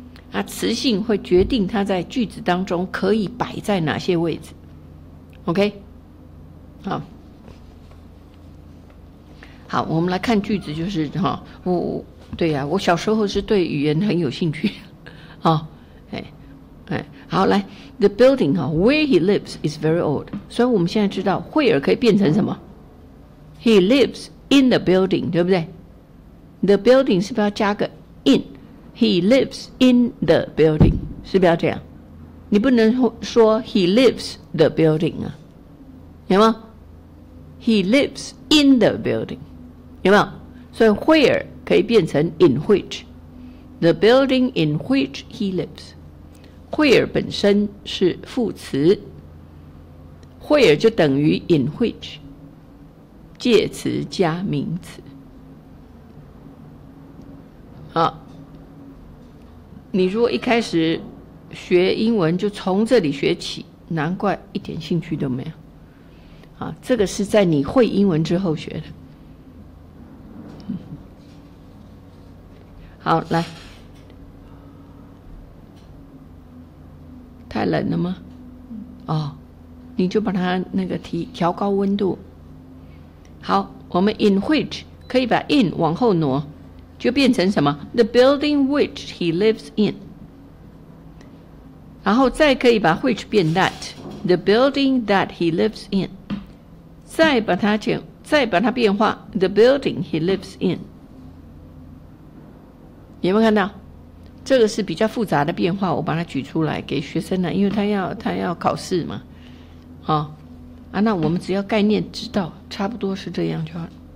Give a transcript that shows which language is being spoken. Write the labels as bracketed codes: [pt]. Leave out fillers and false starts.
[zh] 那词性会决定它在句子当中可以摆在哪些位置。 OK， 好，好，我们来看句子，就是哈、哦，我，对呀、啊，我小时候是对语言很有兴趣，啊、哦，哎。哎，好，来 [en] ，the building [zh] 哈 [en] ，where he lives is very old， [zh] 所以我们现在知道 [en] where [zh] 可以变成什么 [en] ？He lives in the building， [zh] 对不对 [en] ？The building [zh] 是不是要加个 [en] in？He lives in the building， [zh] 是不是要这样？你不能说 [en] he lives the building [zh] 啊，有没有 [en] ？He lives in the building， [zh] 有没有？所以 [en] where [zh] 可以变成 [en] in which，the building in which he lives。 [zh] Where 本身是副词 ，Where 就等于 [en] in which， [zh] 介词加名词。好，你如果一开始学英文就从这里学起，难怪一点兴趣都没有。啊，这个是在你会英文之后学的。好，来。太冷了吗？哦，你就把它那个调高温度。好，我们 in which 可以把 in 往后挪，就变成什么 ？ [en] The building which he lives in。 [zh] 然后再可以把 [en] which [zh] 变 [en] that，the building that he lives in。 [zh] 再把它变化 [en] ，the building he lives in。 [zh] 你有没有看到？这个是比较复杂的变化，我把它举出来给学生呢，因为他要考试嘛，哦，啊，那我们只要概念知道，差不多是这样就好。